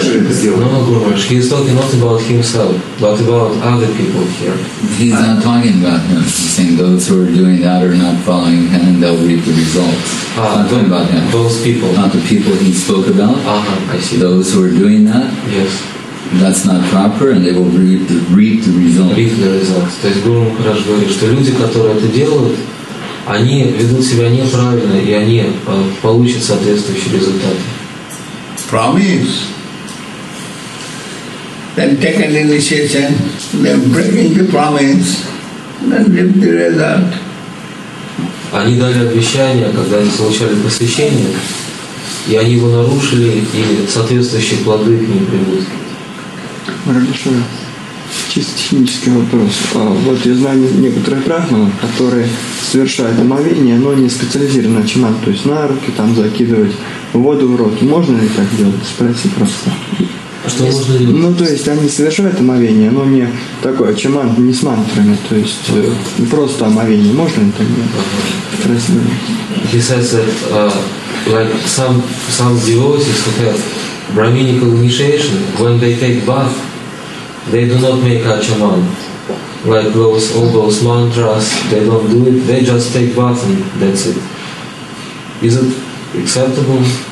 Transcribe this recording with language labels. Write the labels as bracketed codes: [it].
[en] He is talking not about himself, but about other people here. He's not talking about him. He's saying those who are doing that are not following him, and they'll reap the results. Talking about him. Those people. Not the people he spoke about. I see. Those who are doing that. Yes. That's not proper, and they will reap the results. Reap the results. [ru] То есть Гуру Махарадж говорит, что люди, которые это делают, они ведут себя неправильно, и они получат соответствующие результаты. [en] Promise. Then take an initiation, then breaking the promise, then reap the result. [ru] Они дали обещание, когда они получали посвящение, и они его нарушили, и соответствующие плоды к ним придут. Хорошо. Чисто технический вопрос. Вот я знаю некоторых брахманов, которые совершают омовение, но не специализированно чиман, то есть на руки там закидывать воду в рот. Можно ли так делать? Спроси просто. А что есть? Можно делать? Ну, то есть они совершают омовение, но не такое чиман, не с мантрами, то есть просто омовение. Можно ли так делать? Спроси. [en] He says that like some devotees who have brahminical initiation, when they take bath, they do not make achaman. Like those, all those mantras, they don't do it. They just take bath and that's it. Is it acceptable?